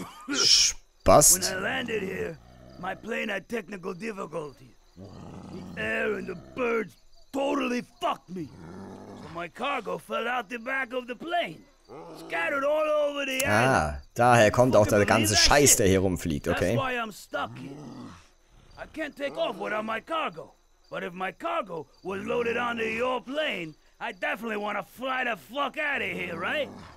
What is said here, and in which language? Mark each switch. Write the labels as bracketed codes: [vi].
[de] Spaß. [en] When I landed here, my plane had technical difficulties. The air and the birds totally fucked me. So my cargo fell out the back of the plane. Scattered all over the island. [de] Ah, daher kommt auch der ganze Scheiß, der hier rumfliegt, okay? [en] That's why I'm stuck here. I can't take off without my cargo. But if my cargo was loaded onto your plane, I definitely want to fly the fuck out of here, right?